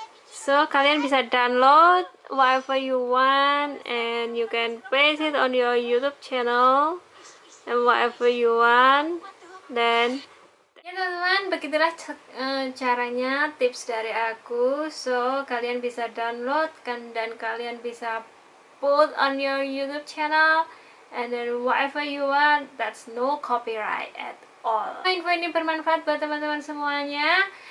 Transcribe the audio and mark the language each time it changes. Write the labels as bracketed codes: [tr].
[en] So [id] kalian bisa [en] download whatever you want and you can paste it on your YouTube channel and whatever you want. Then [id] ya teman-teman, begitulah caranya tips dari aku. So kalian bisa download kan dan kalian bisa [en] put on your YouTube channel. And then whatever you want, that's no copyright at all. [id] Info ini bermanfaat buat teman-teman semuanya.